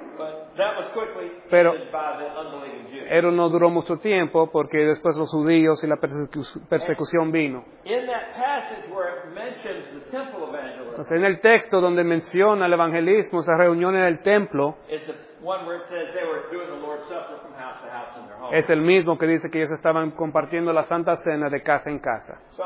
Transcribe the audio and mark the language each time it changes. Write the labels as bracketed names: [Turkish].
[English] But that was quickly pero ended by the unbelieving Jews. [Spanish] Pero no duró mucho tiempo porque después los judíos y la persecución vino. [English] In that passage where it mentions the temple evangelism, [Spanish] entonces en el texto donde menciona el evangelismo, esa reunión en el templo, [English] it's the one where it says they were doing the Lord's [Spanish] Es el mismo que dice que ellos estaban compartiendo la Santa Cena de casa en casa.